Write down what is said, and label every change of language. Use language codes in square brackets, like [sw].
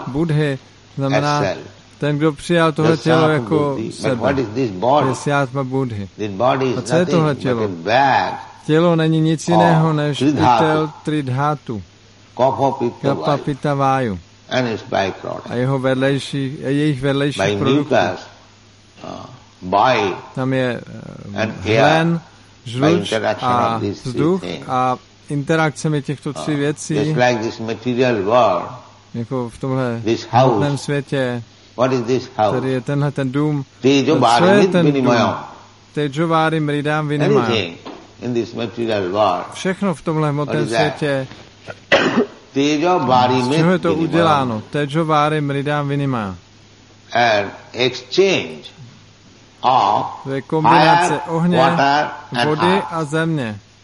[cs] Buddhi znamená ten, kdo přijal tohle tělo jako sebe. [en] But what is this body? [sa] Jasya atma buddhi. [en] This body is nothing but a bag. [cs] Tělo? Tělo není nic jiného než kytel tridhatu. [sa] Kapha pitta vayu. [en] and its byproduct. [cs] A jeho vedlejší, a jejich vedlejší [en] by [cs] produkty. [en] Mucus, by [cs] tam je hlen, žluč a vzduch a interakcemi těchto tří věcí. [en] Just like this material world. [cs] Jako v tomhle hmotném světě. [en] What is this house? [cs] Tady je tenhle ten dům. [sa] Tejo Vari Mridam Tejovari Mridam Vinimaya. [en] Anything in this material world. [cs] Všechno v tomhle hmotném světě. [sa] Tejo Vari Mridam. [cs] Z čeho je to uděláno? [sa] Tejo Vari Mridam Vinimaya. [en] And exchange of [cs] to je kombinace ohně, vody a země.